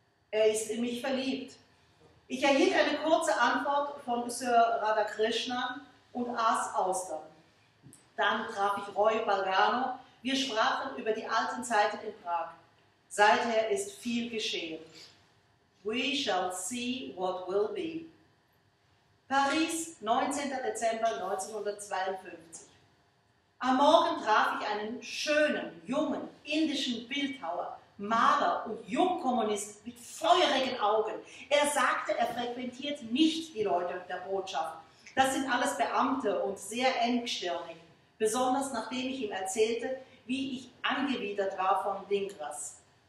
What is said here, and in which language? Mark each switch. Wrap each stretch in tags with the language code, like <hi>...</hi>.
<de>Er ist in mich verliebt. Ich erhielt eine kurze Antwort von Sir Radhakrishnan und aß Austern. Dann traf ich Roy Balgano. Wir sprachen über die alten Zeiten in Prag. Seither ist viel geschehen.</de> <en>We shall see what will be.</en> <de>Paris, 19. Dezember 1952. Am Morgen traf ich einen schönen, jungen, indischen Bildhauer, Maler und Jungkommunist mit feurigen Augen. Er sagte, er frequentiert nicht die Leute der Botschaft. Das sind alles Beamte und sehr engstirnig. Besonders nachdem ich ihm erzählte, wie ich angewidert war von Dinkras.</de>